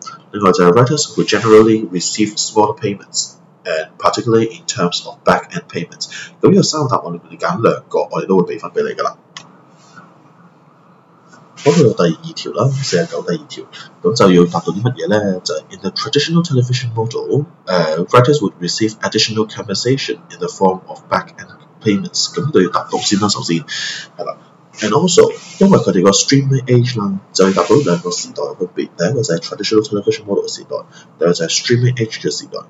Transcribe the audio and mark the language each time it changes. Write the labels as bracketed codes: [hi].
[yue] 另外就係 [en] writers who generally receive smaller payments， and particularly in terms of back end payments。 [yue] 咁呢個三個答案裏面，你揀兩個，我哋都會俾分俾你噶啦。好，去到第二條啦，49第二條，咁就要達到啲乜嘢咧？就係 [en] in the traditional television model， writers would receive additional compensation in the form of back-end payments。 [yue] 咁都要達到先啦，首先係啦。 [en] And also， [yue] 因為佢哋個 streaming age 啦，就要達到兩個時代嘅分別。第一個就係 traditional television model 嘅時代，第二個就係 streaming age 嘅時代。